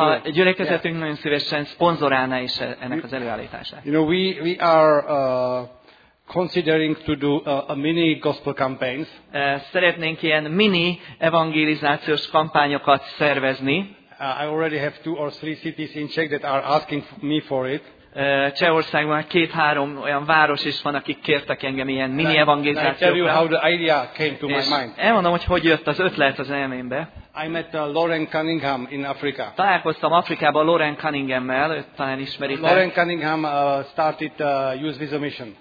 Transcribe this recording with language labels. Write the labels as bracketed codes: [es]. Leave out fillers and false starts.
[hu] A gyülekezetünk nagyon szívesen szponzorálna is ennek az előállítását. [en] You know, we are considering to do a mini gospel campaigns. [hu] Szeretnénk ilyen mini evangelizációs kampányokat szervezni. [en] I already have two or three cities in Czech that are asking me for it. [hu] Csehországban már 2-3 olyan város is van, akik kértek engem ilyen mini evangelizációra. [en] Tell you how the idea came to my mind. [hu] Elmondom, hogy jött az ötlet az elmémbe. [en] I met Lauren Cunningham in Africa. [hu] Találkoztam Afrikában Lauren Cunninghammel, őt talán ismeritek. [en] Lauren Cunningham started Youth with a Mission.